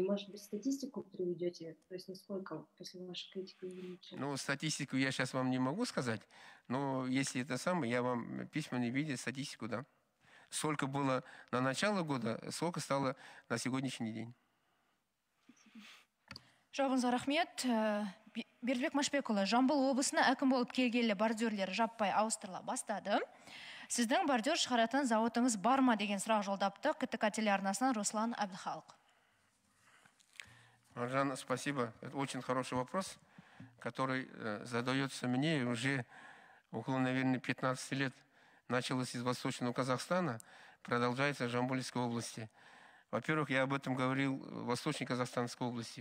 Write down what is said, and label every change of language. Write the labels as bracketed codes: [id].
[ru] Может быть, статистику приведете? То есть, насколько после вашей критики увеличилось? Ну, статистику я сейчас вам не могу сказать, но если это самое, я вам в письменном виде статистику дам. Сколько было на начало года, сколько стало на сегодняшний день. [kk] Жауынза рахмет. Бердібек Машбекұлы, Жамбыл облысына әкім болып келгелі бордюрлер жаппай ауыстырыла бастады. Сіздің бордюр шығаратын зауытыңыз бар ма деген сұрақ жолдапты КТК телеарнасынан Руслан Әбдіхалық. [ru] Маржан, спасибо. Это очень хороший вопрос, который задается мне уже около, наверное, 15 лет. Началось из Восточного Казахстана. продолжается в Жамбулинской области. Во-первых, я об этом говорил в Восточно-Казахстанской области.